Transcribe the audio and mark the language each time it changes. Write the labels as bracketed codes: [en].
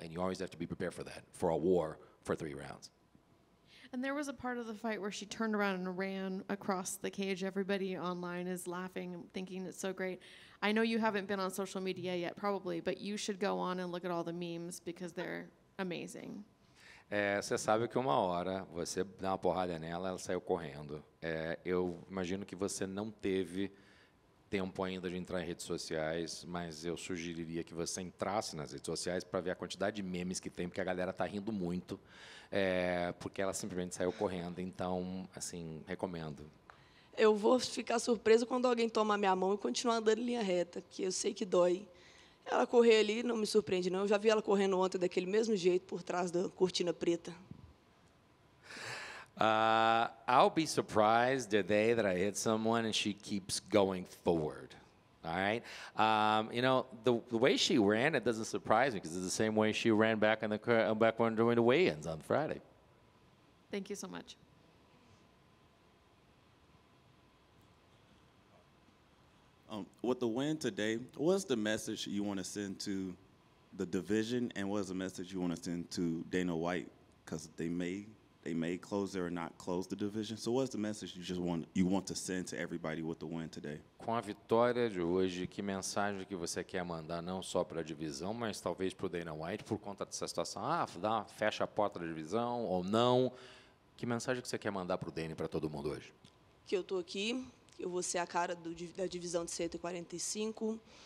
[en] And you always have to be prepared for that, for a war for 3 rounds. And there was a part of the fight where she turned around and ran across the cage. Everybody online is laughing, thinking it's so great. I know you haven't been on social media yet, probably, but you should go on and look at all the memes because they're amazing. [pt] Você sabe que uma hora você dá uma porrada nela, ela saiu correndo. Eu imagino que você não teve tempo ainda de entrar em redes sociais, mas eu sugeriria que você entrasse nas redes sociais para ver a quantidade de memes que tem, porque a galera está rindo muito, porque ela simplesmente saiu correndo. Então, assim, recomendo. Eu vou ficar surpresa quando alguém toma a minha mão e continuar andando em linha reta, que eu sei que dói. Ela correr ali não me surpreende, não. Eu já vi ela correndo ontem daquele mesmo jeito por trás da cortina preta. [en] I'll be surprised the day that I hit someone and she keeps going forward. All right. You know, the way she ran, it doesn't surprise me because it's the same way she ran back in the back when during the weigh-ins on Friday. Thank you so much. With the win today, what's the message you want to send to the division, and what's the message you want to send to Dana White? Because they may close or not close the division. So what's the message you want to send to everybody with the win today? [pt] Com a vitória de hoje, que mensagem que você quer mandar não só para a divisão, mas talvez para o Dana White por conta dessa situação? Fecha a porta da divisão ou não? Que mensagem que você quer mandar para o Dana e para todo mundo hoje? Que eu tô aqui. Eu vou ser a cara da divisão de 145.